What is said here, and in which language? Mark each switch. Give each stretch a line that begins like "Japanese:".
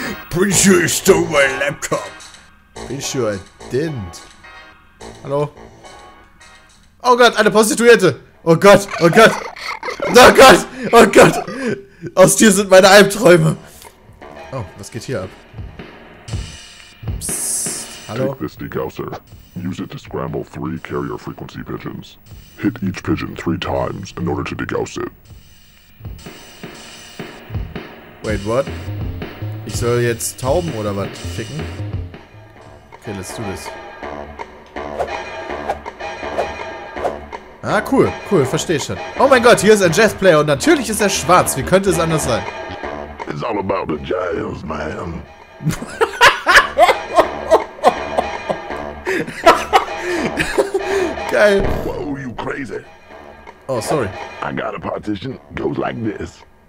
English: Pretty sure you stole my laptop. Pretty sure I didn't. Hallo?
German: Oh Gott, eine Prostituierte! Oh Gott, oh Gott! Oh Gott, oh Gott! Aus dir sind meine Albträume! Oh, was geht hier ab?
English: Psst. Hallo? Take this decal, sir. Use it to scramble 3 carrier frequency pigeons. Hit each pigeon 3 times in order to degauss it. Wait, what?
German: Ich soll jetzt Tauben oder was ficken?
English: Okay, let's do this.
German: Ah, cool, cool, verstehe schon. Oh mein Gott, hier ist ein Jazzplayer und natürlich ist er schwarz. Wie könnte es anders sein?
English: It's all about the jazz, man.
German: Geil.
English: Whoa, you crazy. Oh, sorry. I got a partition, goes like this.